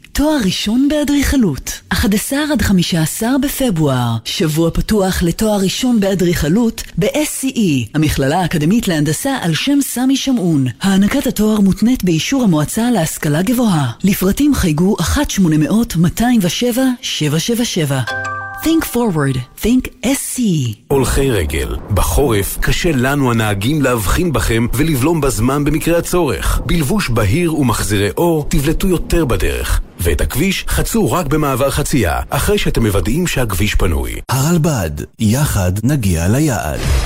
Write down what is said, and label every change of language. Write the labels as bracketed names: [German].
[Hebrew] תואר ראשון באדריכלות. 11 עד 15 בפברואר. שבוע פתוח לתואר ראשון באדריכלות ב-SCE, המכללה האקדמית להנדסה על שם סמי שמעון. הענקת התואר מותנית באישור המועצה להשכלה גבוהה. לפרטים חייגו 1-800-207-777. [English] Think forward, think SCE. [Hebrew] הולכי רגל, בחורף קשה לנו הנהגים להבחין בכם ולבלום בזמן במקרה הצורך. בלבוש בהיר ומחזירי אור תבלטו יותר בדרך. ואת הכביש חצו רק במעבר חצייה, אחרי שאתם מוודאים שהכביש פנוי. הרלב"ד, יחד נגיע ליעד.